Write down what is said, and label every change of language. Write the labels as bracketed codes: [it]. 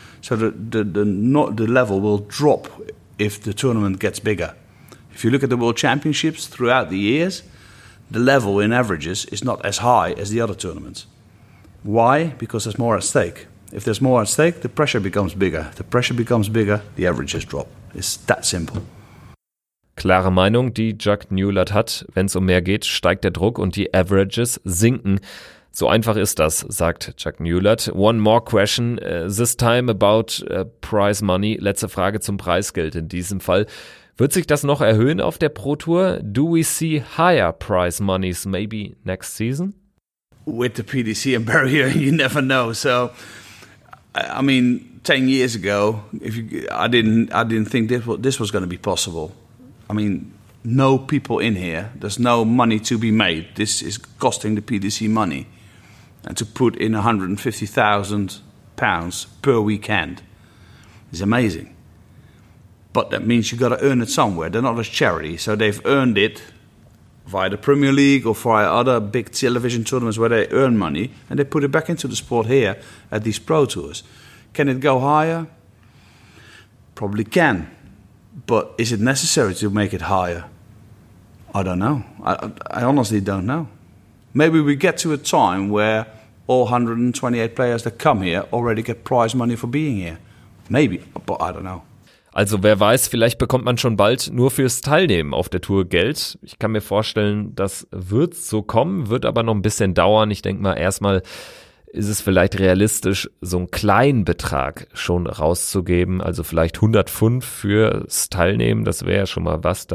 [en] So the level will drop if the tournament gets bigger. If you look at the World Championships throughout the years, the level in averages is not as high as the other tournaments. Why? Because there's more at stake. If there's more at stake, the pressure becomes bigger. The pressure becomes bigger, the averages drop. It's that simple. [de] Klare Meinung, die Jack Newlett hat. Wenn es um mehr geht, steigt der Druck und die Averages sinken. So einfach ist das, sagt Jack Newlett. [en] One more question, this time about prize money. [de] Letzte Frage zum Preisgeld in diesem Fall. Wird sich das noch erhöhen auf der Pro Tour? [en] Do we see higher prize monies maybe next season? With the PDC and barrier, you never know. So, I mean, 10 years ago, I didn't think this was going to be possible. I mean, no people in here. There's no money to be made. This is costing the PDC money. And to put in £150,000 per weekend is amazing. But that means you got to earn it somewhere. They're not a charity, so they've earned it via the Premier League or via other big television tournaments where they earn money, and they put it back into the sport here at these pro tours. Can it go higher? Probably can. But is it necessary to make it higher? I don't know. I honestly don't know. Maybe we get to a time where all 128 players that come here already get prize money for being here. Maybe, but I don't know. [de] Also wer weiß, vielleicht bekommt man schon bald nur fürs Teilnehmen auf der Tour Geld. Ich kann mir vorstellen, das wird so kommen, wird aber noch ein bisschen dauern. Ich denke mal, erstmal ist es vielleicht realistisch, so einen kleinen Betrag schon rauszugeben. Also vielleicht 100 Pfund fürs Teilnehmen, das wäre ja schon mal was.